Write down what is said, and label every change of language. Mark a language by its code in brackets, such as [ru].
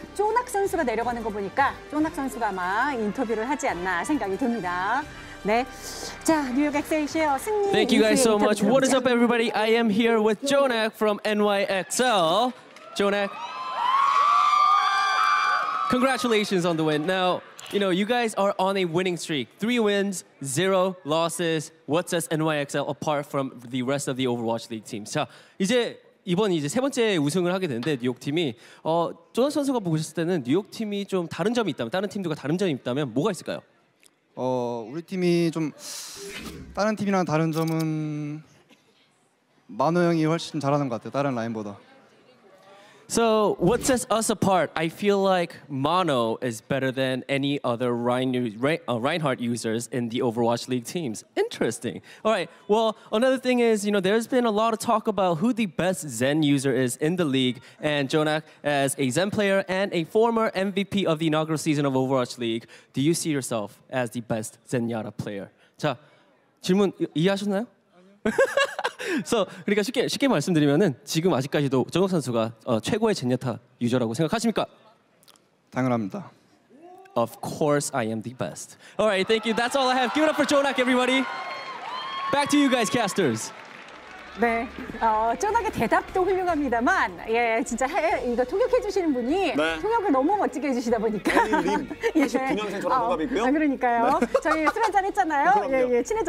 [ko] 쪼낙 선수가 내려가는 거 보니까 쪼낙 선수가 아마 인터뷰를 하지 않나 생각이 듭니다. 네. 자, 뉴욕 엑셀시어 승리. [en] Thank you guys so much. What is up, everybody? I am here with Jonak from NYXL. Jonak, congratulations on the win. Now, you know, you guys are on a winning streak. 3 wins, 0 losses. What sets NYXL apart from the rest of the Overwatch League teams? [ko] 자, 이제 이번 이제 세 번째 우승을 하게 되는데 뉴욕 팀이 조나 선수가 보셨을 때는 뉴욕 팀이 좀 다른 점이 있다면 다른 팀들과 다른 점이 있다면 뭐가 있을까요? 우리 팀이 좀 다른 팀이랑 다른 점은 마노 형이 훨씬 잘하는 것 같아요. 다른 라인보다. [en] So what sets us apart? I feel like Mono is better than any other Reinhardt users in the Overwatch League teams. Interesting. All right. Well, another thing is, you know, there's been a lot of talk about who the best Zen user is in the league. And Jonak, as a Zen player and a former MVP of the inaugural season of Overwatch League, do you see yourself as the best Zen Yara player? [ko] 자, 질문 이해하셨나요? So, 그러니까 쉽게 말씀드리면은 지금 아직까지도 정욱 선수가 최고의 젠야타 유저라고 생각하십니까? 당연합니다. [en] Of course I am the best. All right, thank you. That's all I have. Give it up for Jonak, everybody. Back to you guys, casters. [ko] 네, 쪼나게 대답도 훌륭합니다만, 예, 진짜 이거 통역해 주시는 분이 네. 통역을 너무 멋지게 해주시다 보니까. 에이, 님, 예, 29년생 전화번호가 있고요. 아, 그러니까요. 네. 저희 술 한잔 했잖아요. 예, 친해졌어요.